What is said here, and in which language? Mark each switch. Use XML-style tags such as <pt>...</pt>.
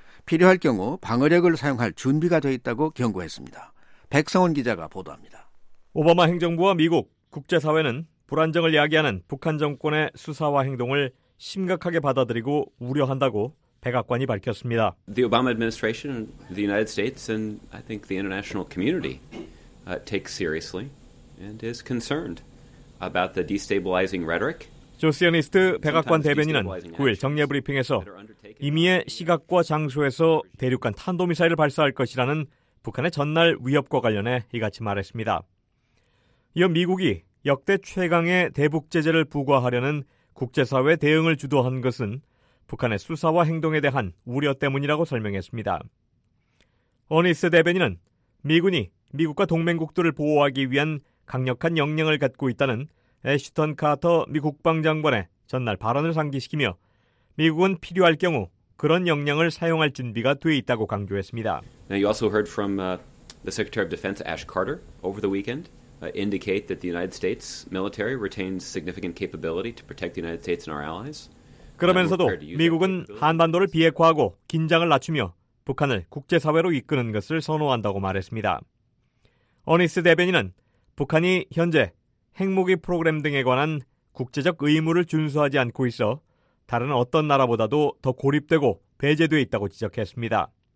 <ko>필요할 경우 방어력을 사용할 준비가 되어 있다고 경고했습니다. 백성원 기자가 보도합니다. 오바마 행정부와 미국, 국제사회는 불안정을 야기하는 북한 정권의 수사와 행동을 심각하게 받아들이고 우려한다고 백악관이 밝혔습니다.</ko> <en>The Obama administration, the United States, and I think the international community takes seriously and is concerned about the destabilizing rhetoric.</en> <ko>조시아니스트 백악관 대변인은 9일 정례 브리핑에서 임의의 시각과 장소에서 대륙간 탄도미사일을 발사할 것이라는 북한의 전날 위협과 관련해 이같이 말했습니다. 이어 미국이 역대 최강의 대북 제재를 부과하려는 국제사회 대응을 주도한 것은 북한의 수사와 행동에 대한 우려 때문이라고 설명했습니다. 어니스 대변인은 미군이 미국과 동맹국들을 보호하기 위한 강력한 역량을 갖고 있다는 애쉬턴 카터 미 국방장관의 전날 발언을 상기시키며 미국은 필요할 경우 그런 역량을 사용할 준비가 돼 있다고 강조했습니다.</ko> <en>Now you also heard from the Secretary of Defense Ash Carter over the weekend. Indicate that the United States military retains significant capability to protect the United States and our allies.</en> <ko>그러면서도 미국은 한반도를 비핵화하고 긴장을 낮추며 북한을 국제사회로 이끄는 것을 선호한다고 말했습니다. 어니스 대변인은 북한이 현재 핵무기 프로그램 등에 관한 국제적 의무를 준수하지 않고 있어 다른 어떤 나라보다도 더 고립되고 배제되어 있다고 지적했습니다.</ko>